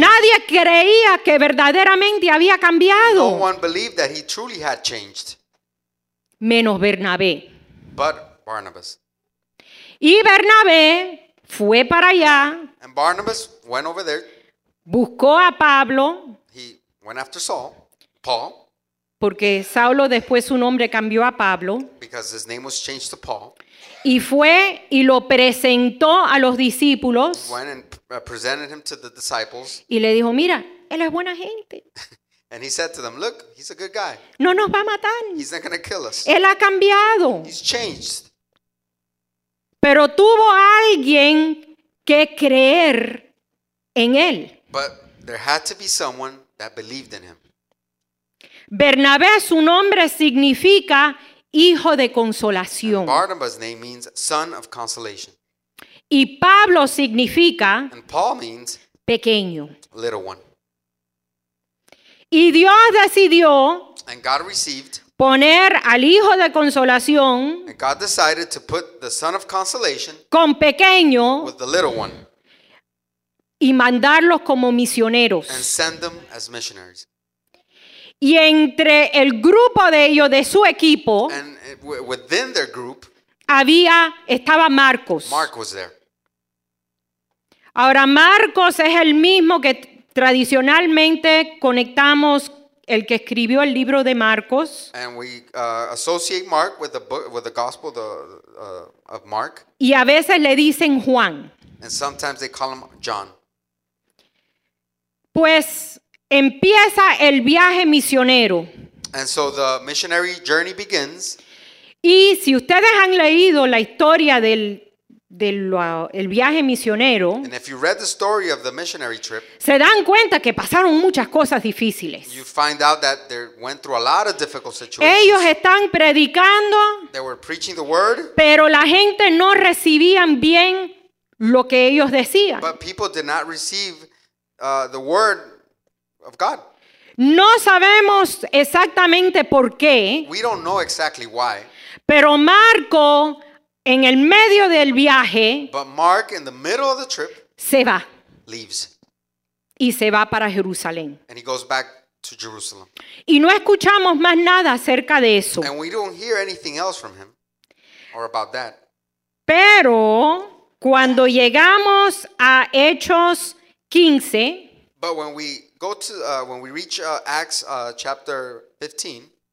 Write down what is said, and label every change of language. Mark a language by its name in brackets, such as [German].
[Spanish] Nadie creía que verdaderamente había cambiado. [English] No one believed that he truly had changed. [Spanish] Menos Bernabé. [English] But Barnabas. [Spanish] Y Bernabé fue para allá. [English] And Barnabas went over there. [Spanish] Buscó a Pablo. [English] He went after Saul, Paul. [Spanish] Porque Saulo después su nombre cambió a Pablo. [English] Because his name was changed to Paul. [Spanish] Y fue y lo presentó a los discípulos. [English] He went and presented him to the disciples. [Spanish] Y le dijo, mira, él es buena gente. [English] And he said to them, look, he's a good guy. [Spanish] No nos va a matar. [English] He's not going to kill us. [Spanish] Él ha cambiado. [English] He's changed. [Spanish] Pero tuvo alguien que creer en él. [English] But there had to be someone that believed in him. [Spanish] Bernabé, su nombre significa hijo de consolación. [English] And Barnabas' name means son of consolation. [Spanish] Y Pablo significa, [English] and Paul means [Spanish] pequeño, [English] little one. [Spanish] Y Dios decidió, [English] and God received, [Spanish] poner al hijo de consolación, [English] and God decided to put the son of consolation, [Spanish] con pequeño, [English] with the little one, [Spanish] y mandarlos como misioneros, [English] and send them as missionaries. [Spanish] Y entre el grupo de ellos, de su equipo, [English] and within their group, [Spanish] estaba Marcos. [English] Mark was there. [Spanish] Ahora Marcos es el mismo que tradicionalmente conectamos, el que escribió el libro de Marcos. [English] And we associate Mark with the book, with the gospel of Mark. [Spanish] Y a veces le dicen Juan. [English] And sometimes they call him John. [Spanish] Pues empieza el viaje misionero. [English] And so the missionary journey begins. [Spanish] Y si ustedes han leído la historia del viaje misionero, [English] and if you read the story of the missionary trip, [Spanish] se dan cuenta que pasaron muchas cosas difíciles. [English] You find out that they went through a lot of difficult situations. [Spanish] Ellos están predicando, [English] they were preaching the word, [Spanish] pero la gente no recibían bien lo que ellos decían. [English] But people did not receive the word of God. [Spanish] No sabemos exactamente por qué. [English] We don't know exactly why. [Spanish] Pero Marco, en el medio del viaje, [English] but Mark, in the middle of the trip, [Spanish] se va. [English] Leaves. [Spanish] Y se va para Jerusalén. [English] And he goes back to Jerusalem. [Spanish] Y no escuchamos más nada acerca de eso. [English] And we don't hear anything else from him or about that. [Spanish] Pero cuando llegamos a Hechos 15, [English] but when we go to when we reach Acts chapter 15,